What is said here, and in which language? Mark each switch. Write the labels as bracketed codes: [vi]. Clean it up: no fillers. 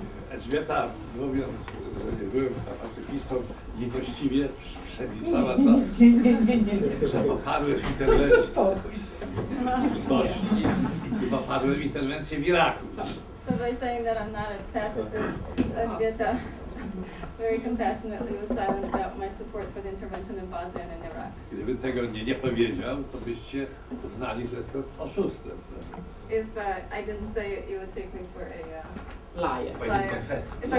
[pl] Elżbieta, mówiąc, że nie byłem pacyfistą, niewłaściwie przemilczała to, że poparłem interwencję w Bośni i poparłem interwencję w Iraku. [en] So by saying that I'm not a pacifist, Elżbieta very compassionately was silent about my support for the intervention in Bosnia and in Iraq. [pl] Gdybym tego nie powiedział, to byście uznali, że jestem oszustem. [en] If I didn't say it, you would take me for a